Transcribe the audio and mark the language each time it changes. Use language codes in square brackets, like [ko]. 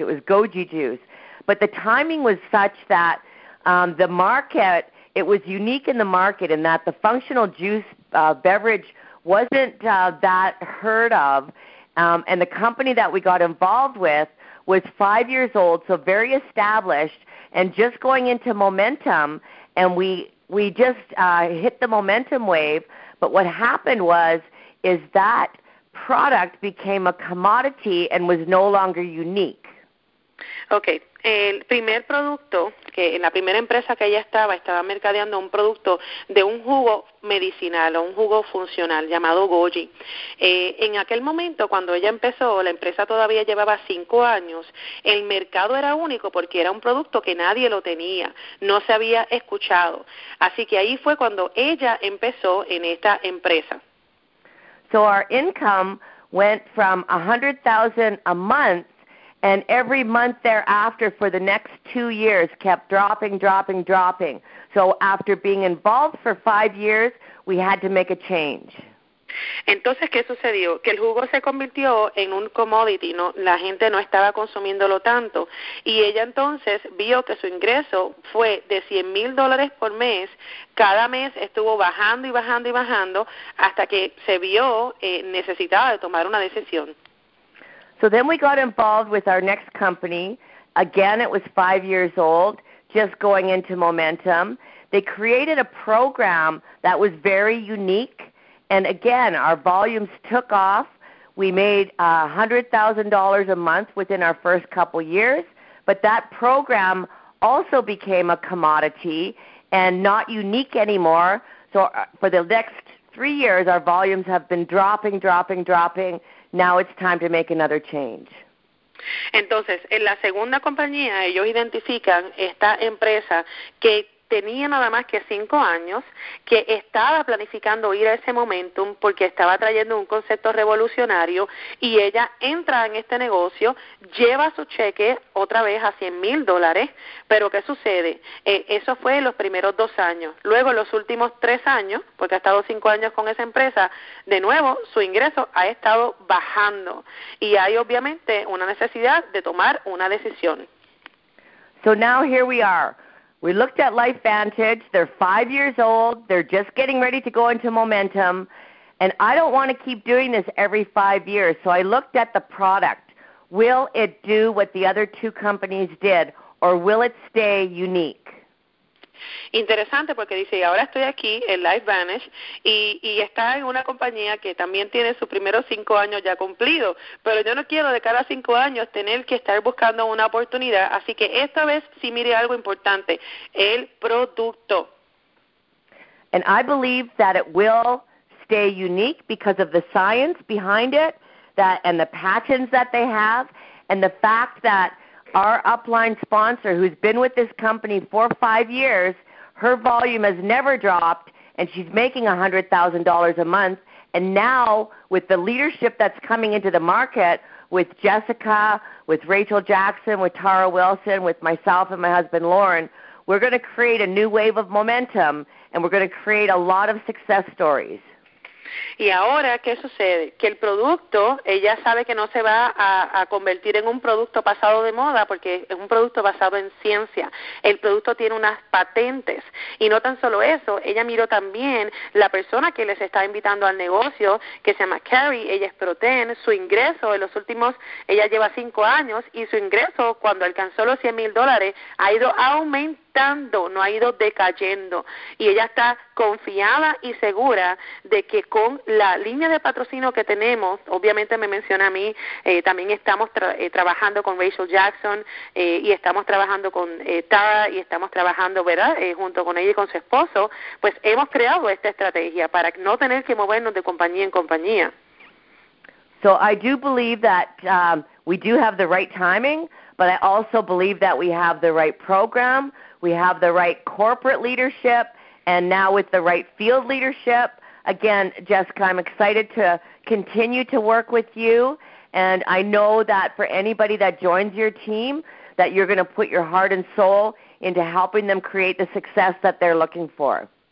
[en] It was Goji Juice. But the timing was such that the market, it was unique in the market in that the functional juice beverage wasn't that heard of, and the company that we got involved with was 5 years old, so very established, and just going into momentum, and we just hit the momentum wave. But what happened is that product became a commodity and was no longer unique. Okay. [es] El primer producto, que en la primera empresa que ella estaba mercadeando un producto de un jugo medicinal o un jugo funcional llamado Goji. En aquel momento, cuando ella empezó, la empresa todavía llevaba 5 años. El mercado era único porque era un producto que nadie lo tenía, no se había escuchado. Así que ahí fue cuando ella empezó en esta empresa. [en] So our income went from $100,000 a month. And every month thereafter for the next 2 years kept dropping, dropping, dropping. So after being involved for 5 years, we had to make a change. [es] Entonces, ¿qué sucedió? Que el jugo se convirtió en un commodity, ¿no? La gente no estaba consumiéndolo tanto. Y ella entonces vio que su ingreso fue de 100 mil dólares por mes. Cada mes estuvo bajando y bajando y bajando hasta que se vio necesitada de tomar una decisión. [en] So then we got involved with our next company. Again, it was 5 years old, just going into momentum. They created a program that was very unique. And again, our volumes took off. We made $100,000 a month within our first couple years. But that program also became a commodity and not unique anymore. So for the next 3 years, our volumes have been dropping, dropping, dropping. Now it's time to make another change. [es] Entonces, en la segunda compañía, ellos identifican esta empresa que tenía nada más que 5 años, que estaba planificando ir a ese momentum porque estaba trayendo un concepto revolucionario, y ella entra en este negocio, lleva su cheque otra vez a $100,000, pero ¿qué sucede? Eso fue en los primeros 2 años. Luego, en los últimos 3 años, porque ha estado 5 años con esa empresa, de nuevo su ingreso ha estado bajando y hay obviamente una necesidad de tomar una decisión. [en] So now here we are. We looked at LifeVantage. They're 5 years old. They're just getting ready to go into momentum. And I don't want to keep doing this every 5 years. So I looked at the product. Will it do what the other two companies did, or will it stay unique? [es] Interesante, porque dice, y ahora estoy aquí en LifeVantage y está en una compañía que también tiene sus primeros 5 años ya cumplidos, pero yo no quiero de cada 5 años tener que estar buscando una oportunidad, así que esta vez sí mire algo importante, el producto. [en] And I believe that it will stay unique because of the science behind it, that and the patents that they have, and the fact that our upline sponsor, who's been with this company for 5 years, her volume has never dropped, and she's making $100,000 a month. And now, with the leadership that's coming into the market, with Jessica, with Rachel Jackson, with Tara Wilson, with myself and my husband, Lauren, we're going to create a new wave of momentum, and we're going to create a lot of success stories. [es] Y ahora, ¿qué sucede? Que el producto, ella sabe que no se va a convertir en un producto pasado de moda, porque es un producto basado en ciencia. El producto tiene unas patentes. Y no tan solo eso, ella miró también la persona que les está invitando al negocio, que se llama Carrie, ella es Protein. Su ingreso en los últimos, ella lleva 5 años, y su ingreso, cuando alcanzó los $100,000, ha ido aumentando. No ha ido decayendo, y ella está confiada y segura de que con la línea de patrocinio que tenemos, obviamente me menciona a mí, también estamos trabajando con Rachel Jackson, y estamos trabajando con Tara, y estamos trabajando, ¿verdad?, junto con ella y con su esposo, pues hemos creado esta estrategia para no tener que movernos de compañía en compañía. [en] So I do believe that we do have the right timing, but I also believe that we have the right program. We have the right corporate leadership, and now with the right field leadership, again, Jessica, I'm excited to continue to work with you, and I know that for anybody that joins your team, that you're going to put your heart and soul into helping them create the success that they're looking for.